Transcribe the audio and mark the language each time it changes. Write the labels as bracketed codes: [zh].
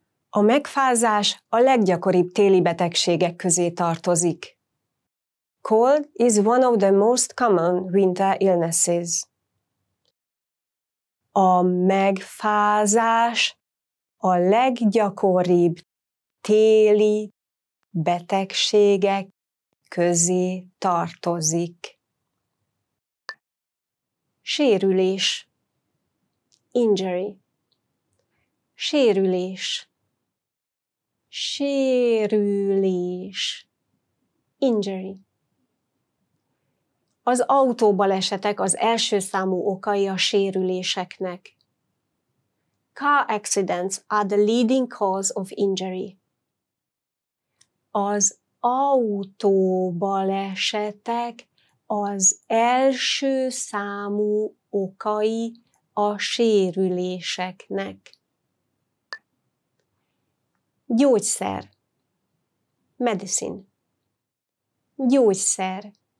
[hu] A megfázás a leggyakoribb téli betegségek közé tartozik. [en] Cold is one of the most common winter illnesses. [hu] A megfázás a leggyakoribb téli betegségek közé tartozik. Sérülés. Injury. Sérülés. Sérülés. Injury. Az autóbalesetek az első számú okai a sérüléseknek. [en] Car accidents are the leading cause of injury. [hu] Az autóbalesetek az első számú okai a sérüléseknek. Gyógyszer. Medicine. Gyógyszer.